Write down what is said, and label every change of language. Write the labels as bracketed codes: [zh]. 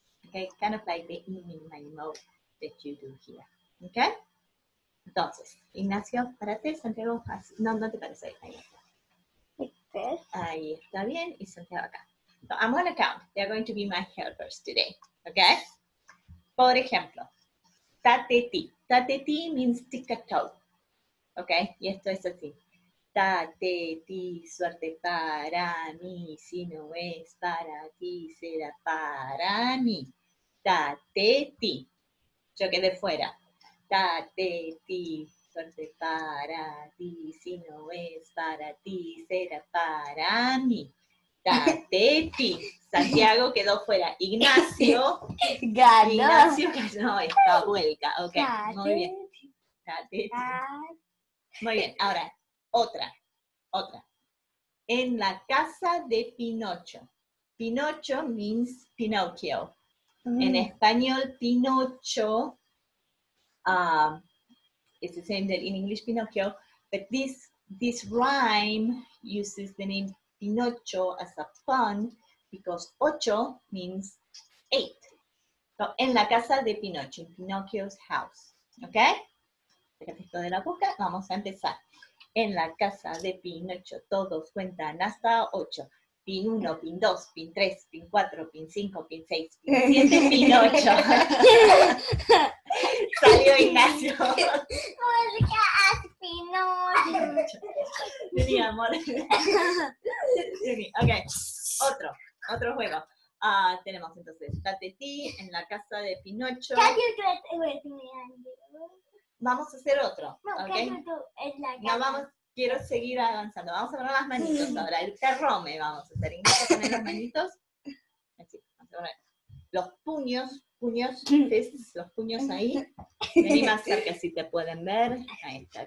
[en] Okay, kind of like the mini-mini-mo that you do here, okay? [es] Entonces, Ignacio, párate, Santiago, no, no te parece, ahí está. Ahí está bien, y Santiago acá. [en] So I'm going to count, they're going to be my helpers today, okay? Por ejemplo, ta-te-ti. Ta-te-ti means tic-a-toe, okay? [es] Y esto es así. Ta-te-ti, suerte para mí, si no es para ti, será para mí. Ta-te-ti, yo quedé fuera. Ta-te-ti, suerte para ti, si no es para ti, será para mí. Ta-te-ti, Santiago quedó fuera. Ignacio, ganó. Ignacio ganó esta vuelta. Ok, muy bien. Ta-te-ti. Muy bien, ahora, otra. En la casa de Pinocho. Pinocho means Pinocchio. En español, Pinocho... [en] it's the same that in English Pinocchio, but this rhyme uses the name Pinocho as a pun because ocho means eight. So, en la casa de Pinocho, in Pinocchio's house. Okay? [es] Esto de la boca, vamos a empezar. En la casa de Pinocho, todos cuentan hasta ocho. Pin 1, pin 2, pin 3, pin 4, pin 5, pin 6, pin 7, pin 8. Salió Ignacio. Música es Pinocho. Mi amor. Ok, otro juego. Tenemos entonces Tateti en la casa de Pinocho. [en] Can you do it with me, Andy? [es] Vamos a hacer otro. No, [en] okay. Can you do it like that? [es] Quiero seguir avanzando. Vamos a poner las manitos ahora. El terrome vamos a hacer. Vamos a poner las manitos. Así, vamos a poner. Los puños. Fists, los puños ahí. Vení más cerca si te pueden ver. Ahí está.